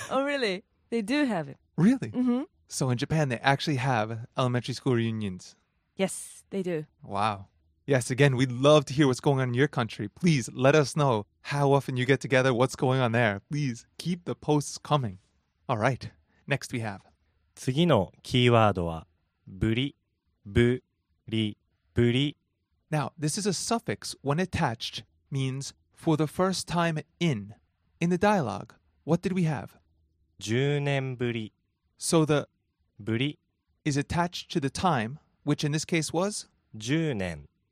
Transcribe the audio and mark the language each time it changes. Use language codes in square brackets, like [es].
[en] Oh, really? They do have it. Really? Mm-hmm. So in Japan, they actually have elementary school reunions. Yes, they do. Wow. Yes, again, we'd love to hear what's going on in your country. Please let us know how often you get together, what's going on there. Please keep the posts coming. All right, next we have. [ja] 次のキーワードはブリ、ブリ、ブリ。 [en] Now, this is a suffix when attached means for the first time in. In the dialogue, what did we have? [ja] 10年ぶり。 [en] So the [ja] ブリ [en] is attached to the time. Which in this case was? [ja] 10年.